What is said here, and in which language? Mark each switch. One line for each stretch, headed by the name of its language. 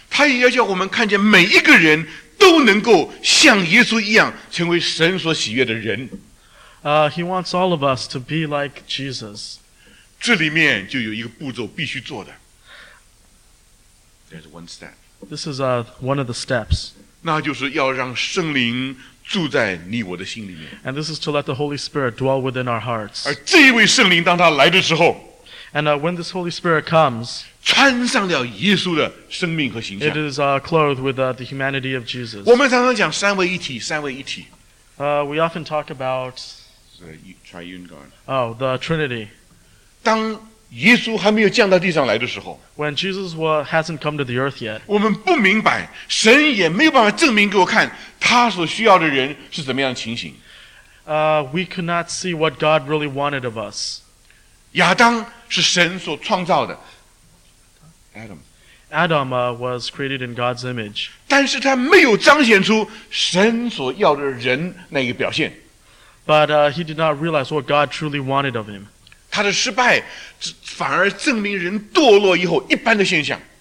Chinese: 他也要叫我们看见每一个人都能够像耶稣一样成为神所喜悦的人。
English: He wants all of us to be like Jesus.
Chinese: 这里面就有一个步骤必须做的。
English: There's one step. This is one of the steps.
Chinese: 那就是要让圣灵住在你我的心里面。
English: And this is to let the Holy Spirit dwell within our hearts.
Chinese: 而这一位圣灵当他来的时候，
English: And when this Holy Spirit comes,
Chinese: 穿上了耶稣的生命和形象。
English: It is clothed with the humanity of Jesus.
Chinese: 我们常常讲三位一体，三位一体。
English: We often talk about the triune God. Oh, the Trinity.
Chinese: 当耶稣还没有降到地上来的时候
English: ，When Jesus hasn't come to the earth yet,
Chinese: 我们不明白，神也没有办法证明给我看他所需要的人是怎么样的情形。
English: We could not see what God really wanted of us.
Chinese: 亚当是神所创造的
English: Adam was created in God's image.
Chinese: 但是他没有彰显出神所要的人那个表现。
English: But he did not realize what God truly wanted of him.
Chinese: 他的失败反而证明人堕落以后一般的现象。